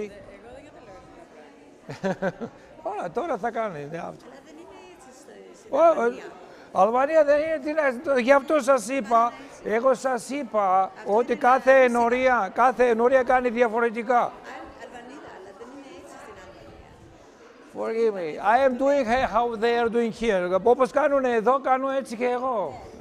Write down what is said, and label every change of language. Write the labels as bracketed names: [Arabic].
[Greek] Εγώ δεν καταλαβαίνω. Ωραία, τώρα θα κάνει. Αλλά δεν είναι έτσι στην Αλβανία. Αλβανία δεν είναι, τι να, γι' αυτό σας είπα, εγώ σας είπα ότι κάθε ενορία, κάθε ενορία κάνει διαφορετικά. Αλβανίδα, αλλά δεν είναι έτσι στην Αλβανία. [English] Forgive me, I am doing how they are doing here. [Greek] Όπως κάνουν εδώ, κάνω έτσι και εγώ.